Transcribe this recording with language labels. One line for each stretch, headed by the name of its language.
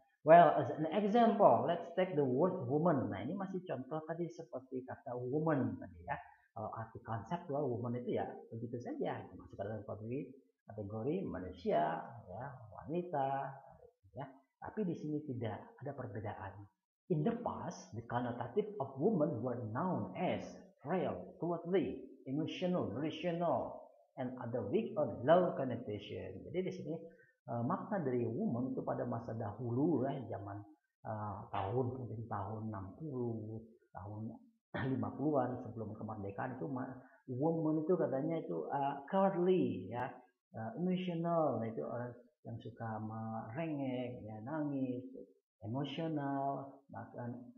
English: Well, as an example, let's take the word woman.
Indonesian: Nah, ini masih contoh tadi seperti kata woman tadi, ya. Kalau arti konseptual woman itu, ya, begitu saja. Masuk dalam kategori manusia, ya, wanita, ya. Tapi di sini tidak ada perbedaan.
English: In the past, the connotative of woman were known as frail, cowardly, emotional, rational, and other weak or low connotation.
Indonesian: Jadi di sini makna dari woman itu pada masa dahulu, ya, zaman tahun mungkin tahun 60, tahun 50-an sebelum kemerdekaan itu, woman itu katanya itu cowardly, ya, emotional, itu orang yang suka merengek, ya, nangis, emosional, bahkan